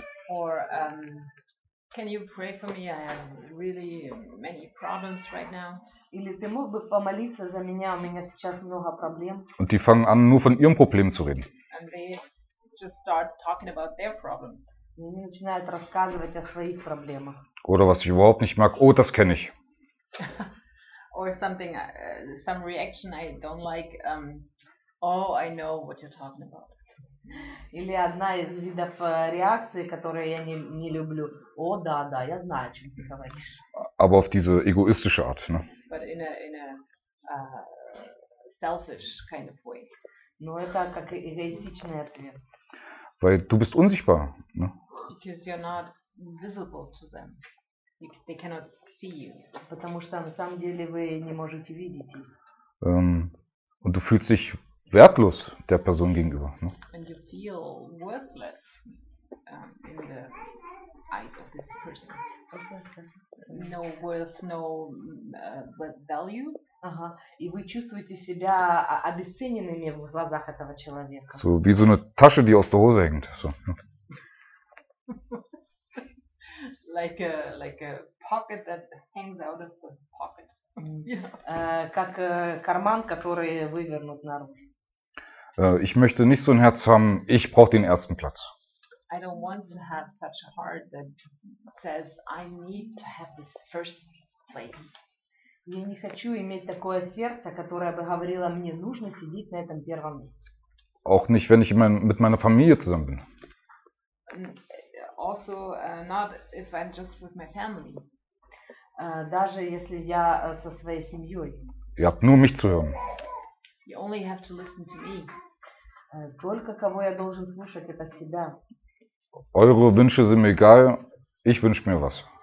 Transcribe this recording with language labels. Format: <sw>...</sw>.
<en>Or can you pray for me? I have really many problems right now.</en> <ru>Или ты мог бы помолиться за меня? У меня сейчас много проблем.</ru> <de>Und die fangen an, nur von ihrem Problem zu reden.</de> <en>And they just start talking about their problems.</en> <ru>Они начинают рассказывать о своих проблемах.</ru> <de>Oder was ich überhaupt nicht mag. Oh, das kenne ich.</de> <en>Or something, some reaction I don't like. Oh, I know what you're talking about.</en> <ru>Или одна из видов реакции, которую я не люблю. О, да, да, я знаю, о чем ты говоришь.</ru> <de>Aber auf diese egoistische Art, ne?</de> <en>But in a selfish kind of way.</en> <ru>Но это как эгоистичный ответ.</ru> <de>Weil du bist unsichtbar, ne?</de> <en>Because you're not visible to them. They cannot see you.</en> <ru>Потому что на самом деле вы не можете видеть их.</ru> <de>Und du fühlst dich wertlos der Person gegenüber, ne?</de> <en>And you feel worthless in the eyes of this person. No worth, no value.</en> <ru>Ага. И вы чувствуете себя обесцененными в глазах этого человека.</ru> <de>So, wie so eine Tasche, die aus der Hose hängt.</de> <en>So. like a pocket that hangs out of the pocket.</en> <ru>Как карман, который вывернут наружу.</ru> <de>Ich möchte nicht so ein Herz haben, ich brauche den ersten Platz.</de> <en>I don't want to have such a heart that says I need to have this first place.</en> <ru>Я не хочу иметь такое сердце, которое бы говорило мне нужно сидеть на этом первом месте.</ru> <de>Auch nicht, wenn ich mit meiner Familie zusammen bin.</de> <en>Also not if I'm just with my family.</en> <ru>Даже если я со своей семьей.</ru> <de>Ihr habt nur mich zu hören.</de> <en>You only have to listen to me.</en> <ru>Только кого я должен слушать, это себя.</ru> <de>Eure Wünsche sind mir egal, ich wünsche mir was.</de>